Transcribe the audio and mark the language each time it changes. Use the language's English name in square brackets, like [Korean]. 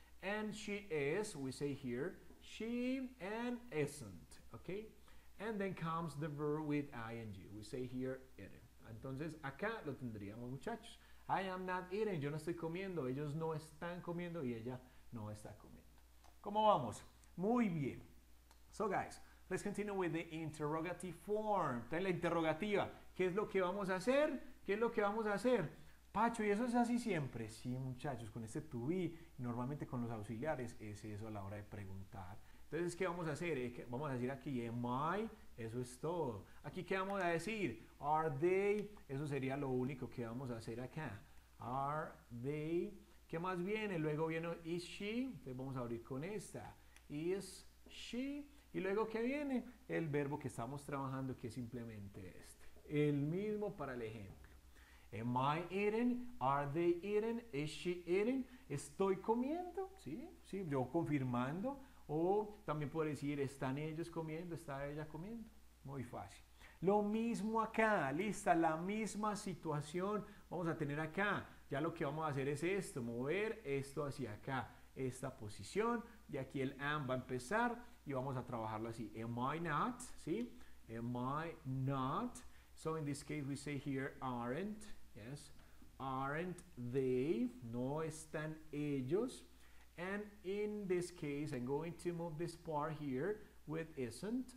[English] And she is, we say here, she and isn't. Okay? And then comes the verb with ing. We say here, it. [Spanish] Entonces, acá lo tendríamos, muchachos. [English] I am not eating. [Spanish] Yo no estoy comiendo. Ellos no están comiendo y ella no está comiendo. ¿Cómo vamos? Muy bien. [English] So, guys, let's continue with the interrogative form. [Spanish] Entonces, la interrogativa. ¿Qué es lo que vamos a hacer? ¿Qué es lo que vamos a hacer? Pacho, ¿y eso es así siempre? Sí, muchachos, con este to be, normalmente con los auxiliares, es eso a la hora de preguntar. Entonces, ¿qué vamos a hacer? Vamos a decir aquí, [English] am I? [Spanish] Eso es todo. Aquí, ¿qué vamos a decir? [English] Are they? [Spanish] Eso sería lo único que vamos a hacer acá. [English] Are they? [Spanish] ¿Qué más viene? Luego viene, [English] is she? [Spanish] Entonces, vamos a abrir con esta. [English] Is she? [Spanish] Y luego, ¿qué viene? El verbo que estamos trabajando, que es simplemente este. El mismo para el ejemplo. [English] Am I eating? Are they eating? Is she eating? [Spanish] ¿Estoy comiendo? Sí, sí, yo confirmando. O también puedo decir, ¿están ellos comiendo? ¿Está ella comiendo? Muy fácil. Lo mismo acá, lista, la misma situación vamos a tener acá. Ya lo que vamos a hacer es esto, mover esto hacia acá, esta posición, y aquí el am va a empezar y vamos a trabajarlo así. [English] Am I not? [Spanish] ¿Sí? [English] Am I not? So in this case we say here aren't, yes, aren't they? [Spanish] No están ellos. [English] And in this case I'm going to move this part here with isn't.